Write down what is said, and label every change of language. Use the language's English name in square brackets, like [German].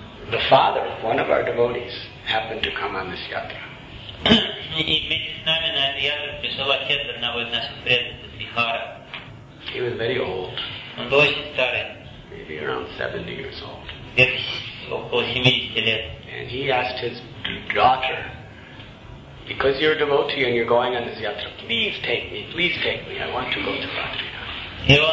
[English] The father of one of our devotees happened to come on this yatra. [Russian] И вместе с нами на этой ятре пришел отец одного из наших преданных из Бихара. [English] He was very old. [Russian] Он был очень старый. [English] Maybe around 70 years old. And he asked his daughter, because you're a devotee and you're going on this yatra, please take me, I want to go to